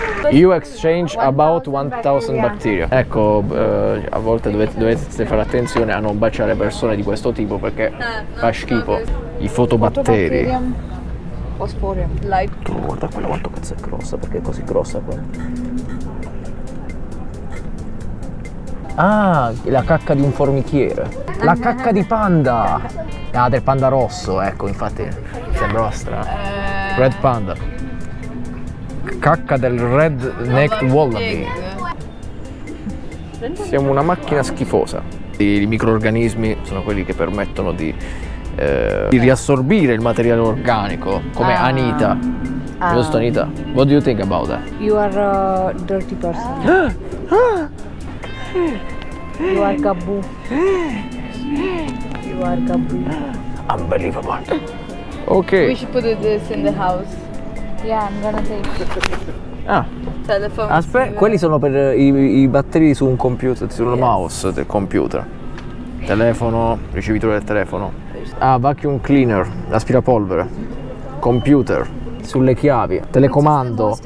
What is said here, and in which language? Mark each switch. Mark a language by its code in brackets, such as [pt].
[en] You exchange about 1000 bacteria. [it] Ecco, a volte dovete fare attenzione a non baciare persone di questo tipo perché fa schifo. I fotobatteri. Osporium, light. Oh, guarda quella quanto cazzo è grossa, perché è così grossa quella. Ah, la cacca di un formichiere. La cacca di panda. Ah, del panda rosso, ecco, infatti. Sembrava strano. Red panda. Cacca del red necked wallaby. Siamo una macchina schifosa. I microorganismi sono quelli che permettono di riassorbire il materiale organico come Anita. Giusto Anita? [en] What do you think about that? You are a dirty person. You are kaboo. You are kaboo. Unbelievable. Okay. We should put this in the house. Yeah, I'm gonna take it. Telephone. [it] Aspetta, quelli sono per i batteri su un computer, su un mouse del computer. Telefono, ricevitore del telefono. Ah, [en] vacuum cleaner, [it] aspirapolvere, computer, sulle chiavi, telecomando.